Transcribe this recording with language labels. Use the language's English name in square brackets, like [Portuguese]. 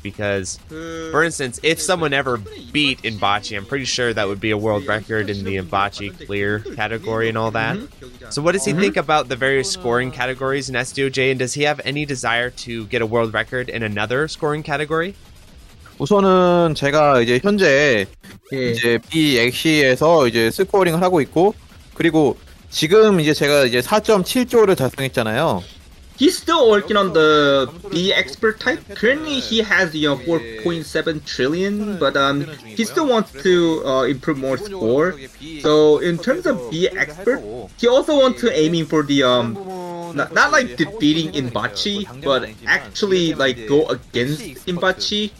[English] Because, for instance, if someone ever beat Inbachi, I'm pretty sure that would be a world record in the Inbachi clear category and all that. So what does he think about the various scoring categories in SDOJ, and does he have any desire to get a world record in another scoring category? [Korean] 우선은 제가 이제 현재 이제 BXC에서 이제 스코어링을 하고 있고 그리고 지금 이제 제가 이제 4.7조를 달성했잖아요. [English] He's still working on the B expert type. Currently, he has, you know, 4.7 trillion, but he still wants to improve more score. So in terms of B expert, he also wants to aiming for the not like defeating Inbachi, but actually like go against Inbachi,